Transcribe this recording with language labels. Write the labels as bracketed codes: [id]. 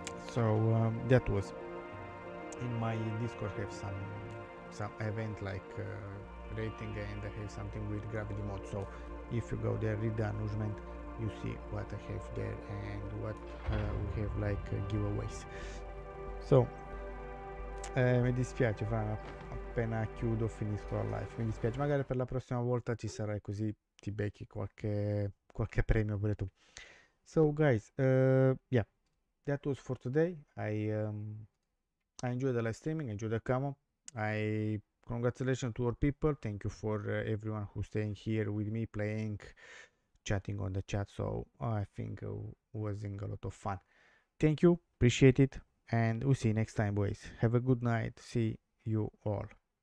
[en] So that was in my Discord. Have some event like rating, and I have something with gravity mod. So if you go there, read the announcement, you see what I have there and what we have like giveaways. [it] So mi dispiace, Fra. Appena chiudo finisco la live, mi dispiace, magari per la prossima volta ci sarai, così ti becchi qualche premio pure tu. [en] So guys, yeah, that was for today. I enjoyed the live streaming, I enjoyed the camo. I congratulations to our people, thank you for everyone who staying here with me, playing, chatting on the chat. So I think was in a lot of fun. Thank you, appreciate it, and we'll see you next time, boys. Have a good night, see you all.